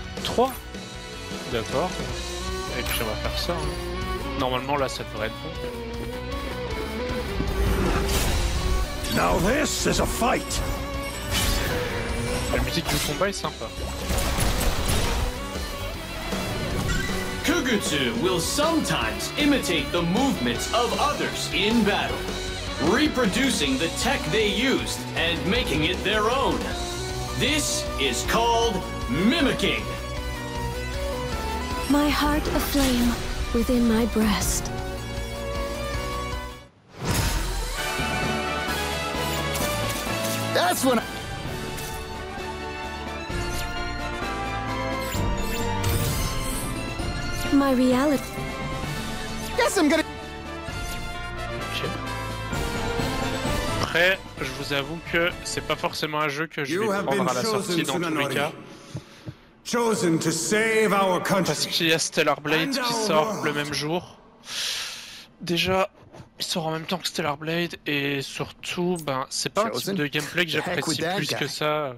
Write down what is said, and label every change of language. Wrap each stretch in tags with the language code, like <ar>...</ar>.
<fr>Trois. D'accord. Et puis on va faire ça. Hein. Normalement là ça devrait être bon.</fr> <en>Now this is a fight.</en> <fr>La musique du combat est sympa.</fr> <en>Kugutsu will sometimes imitate the movements of others in battle, reproducing the tech they used and making it their own. This is called mimicking. My heart aflame within my breast. That's when my reality. guess I'm gonna...</en> <fr>Après, je vous avoue que c'est pas forcément un jeu que je vais prendre à la sortie dans tous les cas.</fr> <en>Chosen to save our country.</en> <fr>Parce qu'il y a Stellar Blade qui sort le même jour. Déjà, il sort en même temps que Stellar Blade et surtout, ben, c'est pas un type de gameplay que j'apprécie plus que ça.</fr>